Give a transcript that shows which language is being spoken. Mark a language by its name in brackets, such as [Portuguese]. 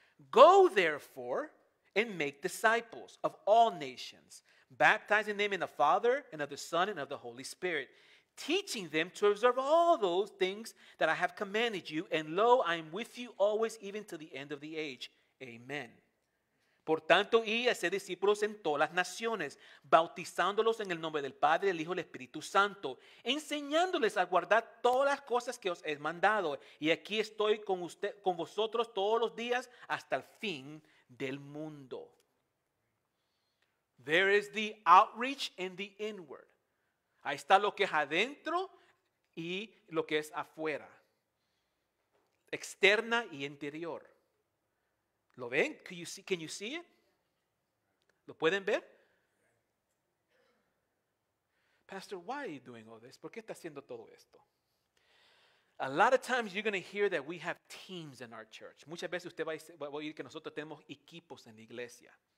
[English] Go therefore and make disciples of all nations, baptizing them in the Father and of the Son and of the Holy Spirit, teaching them to observe all those things that I have commanded you, and lo, I am with you always, even to the end of the age. Amen. [Spanish] Por tanto, id y haced discípulos en todas las naciones, bautizándolos en el nombre del Padre, el Hijo y el Espíritu Santo, enseñándoles a guardar todas las cosas que os he mandado. Y aquí estoy con vosotros todos los días hasta el fin del mundo. [English] There is the outreach and the inward. [Spanish] Ahí está lo que es adentro y lo que es afuera. Externa y interior. ¿Lo ven? [English] Can you see it? [Spanish] ¿Lo pueden ver? [English] Pastor, why are you doing all this? [Spanish] ¿Por qué está haciendo todo esto? [English] A lot of times you're going to hear that we have teams in our church. [Spanish] Muchas veces usted va a oír que nosotros tenemos equipos en la iglesia.